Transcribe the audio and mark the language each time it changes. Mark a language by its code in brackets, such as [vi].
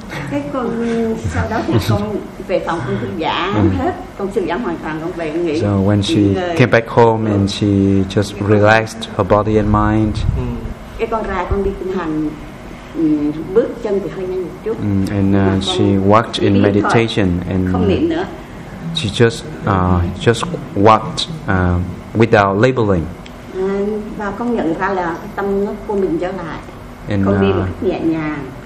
[vi] Cái con sau đó thì con về phòng con thư giãn hết, con thư giãn hoàn toàn, con về nghỉ. [en] So when she came back home and she just relaxed her body and mind. [vi] Cái con ra con đi tinh hành, bước chân thì hơi nhanh một chút. [en] And she walked in meditation and [vi] không niệm nữa. [en] She just walked without labeling. [vi] Và con nhận ra là tâm nó vô mình trở lại. Con đi một cách nhẹ nhàng.